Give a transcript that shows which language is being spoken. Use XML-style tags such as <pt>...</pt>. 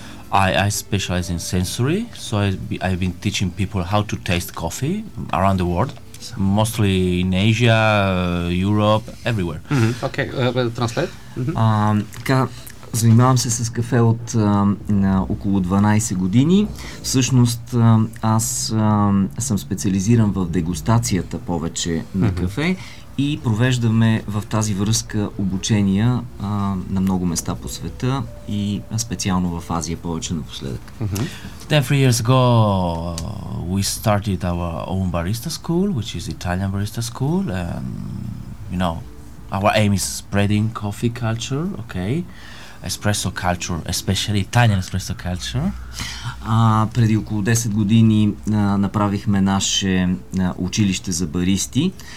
<en>I specialize in sensory, so I've been teaching people how to taste coffee around the world. Mostly in Asia, Europe, everywhere. Окей, транслейт.</en> <bg>Така, занимавам се с кафе от около 12 години. Всъщност аз съм специализиран в дегустацията повече на кафе и провеждаме в тази връзка обучения на много места по света и специално в Азия повече напоследък.</bg> <en>Then 3 years ago, we started our own barista school, which is Italian barista school. And, you know, our aim is spreading coffee culture, okay? Espresso culture, especially Italian espresso culture.</en> <bg>Преди около 10 години направихме наше училище за баристи.</bg>